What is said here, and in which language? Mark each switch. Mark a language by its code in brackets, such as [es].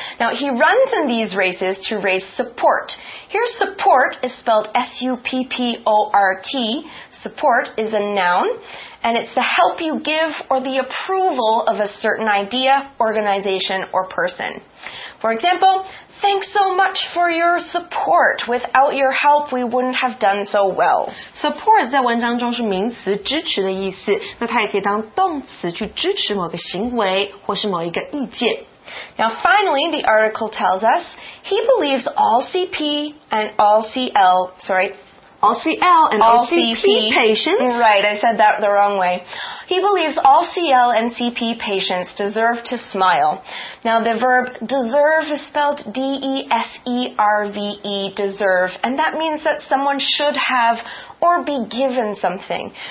[en] Now, he runs in these races to raise support. Here, support is spelled S-U-P-P-O-R-T. Support is a noun, and it's the help you give or the approval of a certain idea, organization, or person. For example, thanks so much for your support. Without your help, we wouldn't have done so well. [zh] Support 在文章中是名词支持的意思，那它也可以当动词去支持某个行为或是某一个意见。 [en] Now finally, the article tells us, he believes all CP and all CL, sorry, All CL and all CP patients. Right, I said that the wrong way. He believes all CL and CP patients deserve to smile. Now, the verb deserve is spelled D-E-S-E-R-V-E, deserve, and that means that someone should have or be given something.